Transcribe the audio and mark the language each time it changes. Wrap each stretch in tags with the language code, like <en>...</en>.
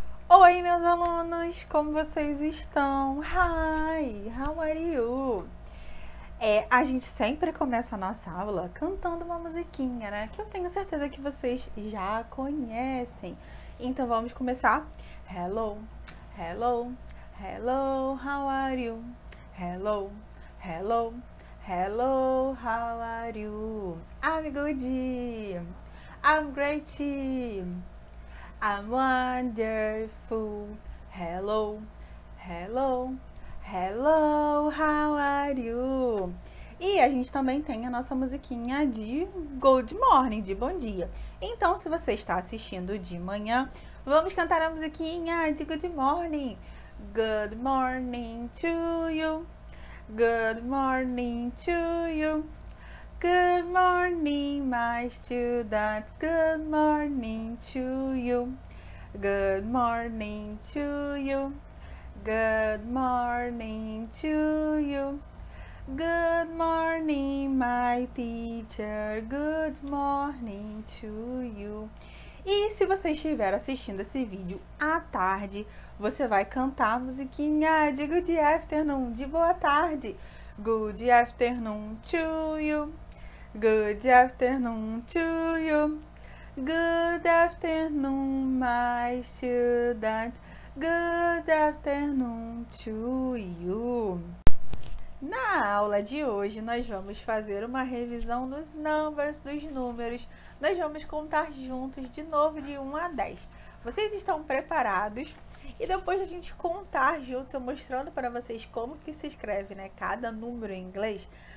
<pt>Oi, meus alunos, como vocês estão? Hi, how are you? A gente sempre começa a nossa aula cantando uma musiquinha, né? Que eu tenho certeza que vocês já conhecem. Então vamos começar.</pt> <en>Hello, hello, hello, how are you? Hello, hello, hello, how are you? I'm good. I'm great. I'm wonderful. Hello, hello, hello, how are you?</en> <pt>E a gente também tem a nossa musiquinha de Good Morning, de Bom Dia. Então, se você está assistindo de manhã, vamos cantar a musiquinha de Good Morning.</pt> <en>Good morning to you. Good morning to you. Good morning, my students. Good morning to you. Good morning to you. Good morning to you. Good morning, my teacher. Good morning to you.</en> <pt>E se você estiver assistindo esse vídeo à tarde, você vai cantar a musiquinha de Good Afternoon, de boa tarde.</pt> <en>Good afternoon to you. Good afternoon to you. Good afternoon, my students. Good afternoon to you.</en> <pt>Na aula de hoje, nós vamos fazer uma revisão dos numbers, dos números. Nós vamos contar juntos de novo de 1 a 10. Vocês estão preparados? E depois a gente contar juntos, eu mostrando para vocês como que se escreve, né, cada número em inglês.</pt>